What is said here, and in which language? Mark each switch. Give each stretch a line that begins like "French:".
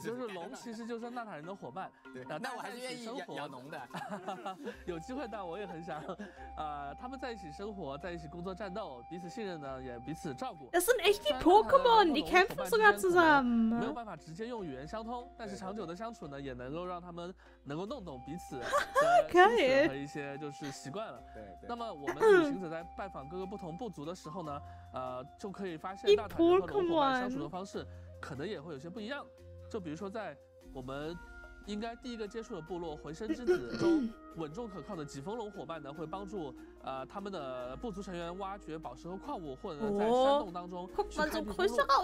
Chinese: 就是龙，其实就是纳塔人的伙伴。对，那我还是愿意养龙的。有机会，但我也很想。他们在一起生活，在一起工作、战斗，彼此信任呢，也彼此照顾。
German: Das sind echt die Pokémon, die kämpfen sogar zusammen.
Chinese: 没有办法直接用语言相通，但是长久的相处呢，也能够让他们能够弄懂彼此的心思和一些就是习惯了。对对。那么我们旅行者在拜访各个不同部族的时候呢，就可以发现纳塔人和龙伙伴相处的方式。可能也会有些不一样，就比如说在我们应该第一个接触的部落回声之子中，稳重可靠的疾风龙伙伴呢，会帮助他们的部族成员挖掘宝石和矿物，或者在山洞当中去开辟部落。